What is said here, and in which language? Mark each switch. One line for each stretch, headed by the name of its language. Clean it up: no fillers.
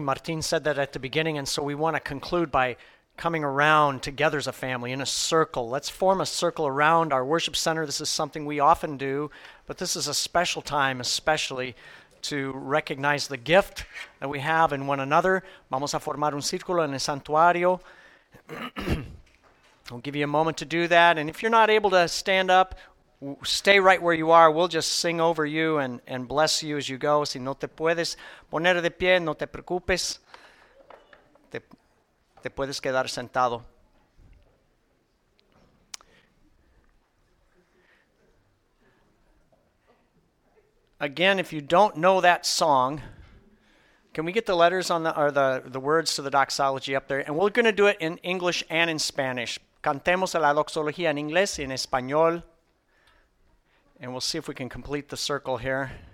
English: Martin said that at the beginning, and so we want to conclude by coming around together as a family in a circle. Let's form a circle around our worship center. This is something we often do, but this is a special time, especially to recognize the gift that we have in one another.
Spanish: Vamos a formar un círculo en el santuario.
English: I'll give you a moment to do that. And if you're not able to stand up, stay right where you are. We'll just sing over you and bless you as you go.
Spanish: Si no te puedes poner de pie, no te preocupes. Te puedes quedar sentado.
English: Again, if you don't know that song, can we get the letters on the or the words to the doxology up there? And we're going to do it in English and in Spanish.
Spanish: Cantemos la doxología en inglés y en español.
English: And we'll see if we can complete the circle here.